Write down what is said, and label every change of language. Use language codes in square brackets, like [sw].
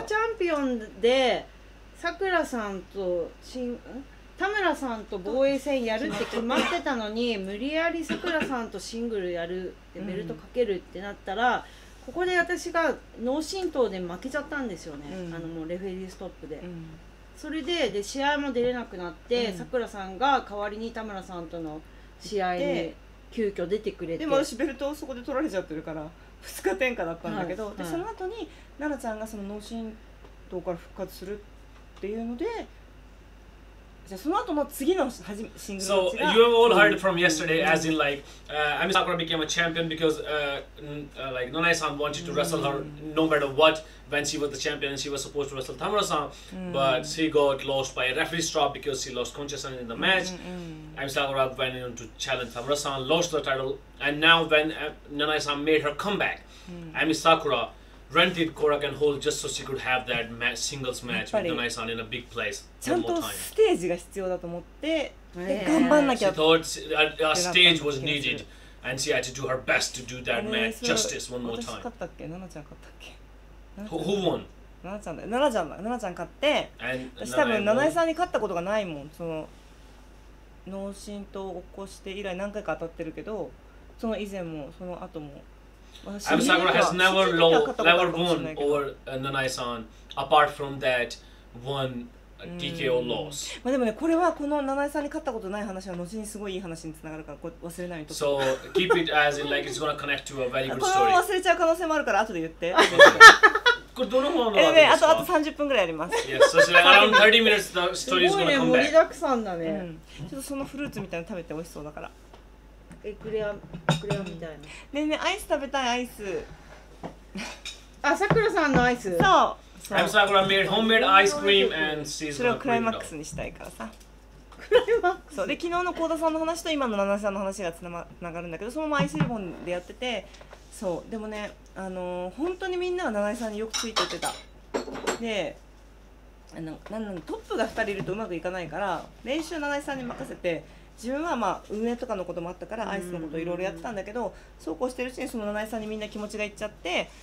[ja] 私がチャンピオンでさくらさんと田村さんと防衛戦やるって決まってたのに無理やりさくらさんとシングルやるでベルトかけるってなったら、うん、ここで私が脳震盪で負けちゃったんですよね、うん、あのもうレフェリーストップで、うんそれ で試合も出れなくなってさくらさんが代わりに田村さんとの試合に急遽出てくれてでも私ベルトをそこで取られちゃってるから2日転下だったんだけど、はいはい、でその後に奈々ちゃんがその脳震盪から復活するっていうのでじゃあその後の次のシングルマッチが [en] So you have all heard from yesterday as in like Ami Sakura became a champion because like Nanai-san wanted to wrestle her no matter what when she was the champion and she was supposed to wrestle Tamura-san but she got lost by a referee strap because she lost consciousness in the match Ami Sakura went on to challenge Tamura-san, lost the title and now when Nanai-san made her comeback Ami Sakura rented Korakuen Hall just so she could have that singles match with Nanai-san in a big place [ja] ちゃんとステージが必要だと思って、頑張んなきゃ。 [en] She thought a stage was needed, and she had to do her best to do that match justice one more time. [ja] 私勝ったっけ？ナナちゃん勝ったっけ [en] ？Who won? [ja] ナナちゃんだ。ナナちゃんだ。ナナちゃん勝って、私多分ナナイさんに勝ったことがないもん。その脳震盪を起こして以来何回か当たってるけど、その以前もその後も。 [en] Ami Sakura has never won over Nanai-san apart from that one. TKO loss. [ja] まあでもね、これはこの七井さんに勝ったことない話は後にすごいいい話につながるから、これ忘れないように。 [en] So keep it as in like it's gonna connect to a very good story. [ja] これも忘れちゃう可能性もあるから後で言って。これどの方のあれですか？あと30分ぐらいやります。 [en] Yes, so like around 30 minutes the story is gonna come back. [ja] すごいね、盛りだくさんだね。うん。ちょっとそのフルーツみたいなの食べて美味しそうだから。エクレア、エクレアみたいな。ねえねえ、アイス食べたいアイス。あ、さくらさんのアイス。そう。 [en] So, I'm Sakura made homemade ice cream and she's gonna [ja] クライマックスにしたいからさ。クライマックス。そうで昨日の甲田さんの話と今の七瀬さんの話がつながるんだけど、そのままアイスリボンでやってて、そうでもね本当にみんなは七瀬さんによくついていってた。で、トップが2人いるとうまくいかないから練習七瀬さんに任せて、自分はまあ運営とかのこともあったからアイスのことをいろいろやってたんだけど、そうこうしてるうちにその七瀬さんにみんな気持ちがいっちゃって。